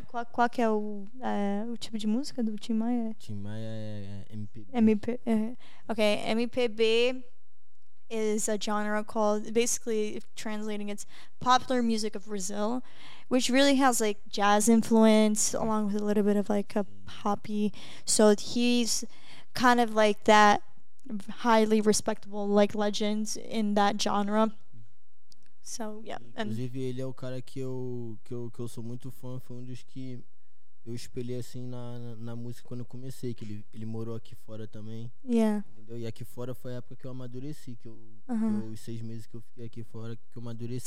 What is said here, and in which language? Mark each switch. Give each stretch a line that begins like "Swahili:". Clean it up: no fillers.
Portuguese: Qual que é o tipo de música do Tim Maia? Tim Maia é MPB.
English: Okay, MPB is a genre called, basically translating, it's popular music of Brazil, which really has like jazz influence along with a little bit of like a poppy. So he's kind of like that highly respectable like legend in that genre. So yeah.
Portuguese: Inclusive, ele é o cara que eu sou muito fã. Foi um dos que eu espelhei assim na música quando eu comecei, que ele morou aqui fora também.
English: Yeah.
Portuguese: Entendeu? E aqui fora foi a época que eu amadureci, que eu, os 6 meses que eu fiquei aqui fora, que eu amadureci.